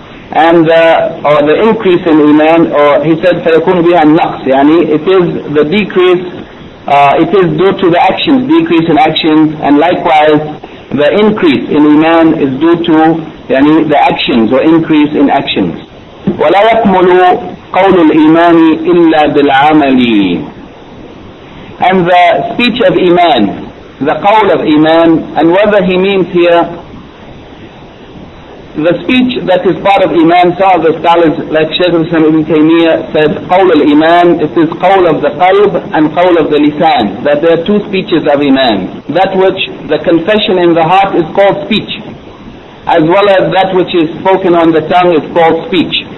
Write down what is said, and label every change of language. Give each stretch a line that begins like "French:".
English: And the increase in Iman, or he said
Arabic: فَيَكُونُ بِهَا النَّقْصُ,
English: yani it is the decrease, it is due to the actions, decrease in actions, and likewise the increase in Iman is due to yani the actions, or increase in actions.
Arabic: وَلَا يَكْمُلُ قول الإيمان إلا بالعمل.
English: And the speech of Iman, the قول of Iman, and whether he means here the speech that is part of Iman, some of the scholars like Shaykh Islam Ibn Taymiyyah said
Arabic: قول الإيمان,
English: it is قول of the قلب and قول of the لسان, that there are two speeches of Iman, that which the confession in the heart is called speech, as well as that which is spoken on the tongue is called speech.